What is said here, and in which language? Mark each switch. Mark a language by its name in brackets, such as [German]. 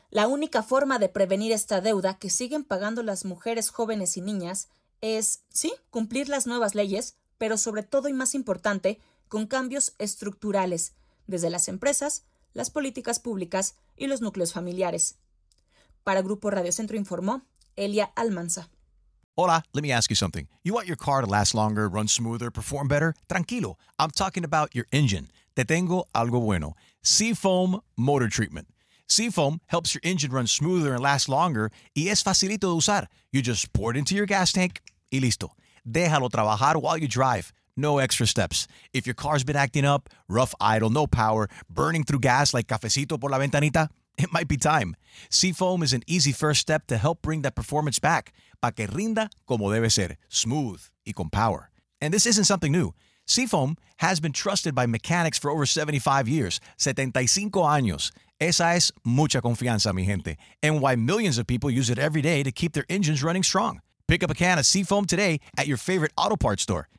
[Spanish] La única forma de prevenir esta deuda que siguen pagando las mujeres jóvenes y niñas es, sí, cumplir las nuevas leyes, pero sobre todo y más importante, con cambios estructurales, desde las empresas, las políticas públicas y los núcleos familiares. Para Grupo Radio Centro informó Elia Almanza. Hola, [English] let me ask you something. You want your car to last longer, run smoother, perform better? [Spanish] Tranquilo, [English] I'm talking about your engine. [Spanish] Te tengo algo bueno. Seafoam Motor Treatment. [English] Seafoam helps your engine run smoother and last longer, [Spanish] y es facilito de usar. [English] You just pour it into your gas tank, [Spanish] y listo. Déjalo trabajar [English] while you drive. No extra steps. If your car's been acting up, rough idle, no power, burning through gas like [Spanish] cafecito por la ventanita, [English] it might be time. Seafoam is an easy first step to help bring that performance back. [Spanish] Pa' que rinda como debe ser, [English] smooth [Spanish] y con power. [English] And this isn't something new. Seafoam has been trusted by mechanics for over 75 years. [Spanish] 75 años. Esa es mucha confianza, mi gente. [English] And why millions of people use it every day to keep their engines running strong. Pick up a can of Seafoam today at your favorite auto parts store.